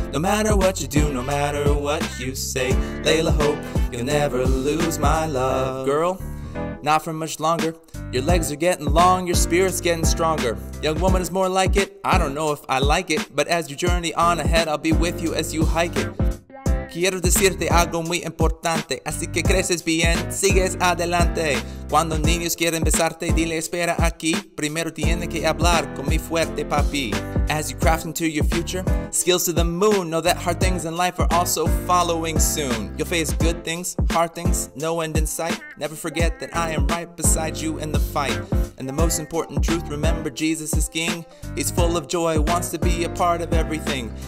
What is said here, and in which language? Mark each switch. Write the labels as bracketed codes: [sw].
[en] No matter what you do, no matter what you say, Layla Hope, you'll never lose my love. Girl, not for much longer. Your legs are getting long, your spirit's getting stronger. Young woman is more like it, I don't know if I like it. But as you journey on ahead, I'll be with you as you hike it. [es] Quiero decirte algo muy importante. Así que creces bien, sigues adelante. Cuando niños quieren besarte, dile espera aquí. Primero tiene que hablar con mi fuerte papi. [en] As you craft into your future, skills to the moon. Know that hard things in life are also following soon. You'll face good things, hard things, no end in sight. Never forget that I am right beside you in the fight. And the most important truth, remember Jesus is King. He's full of joy, wants to be a part of everything.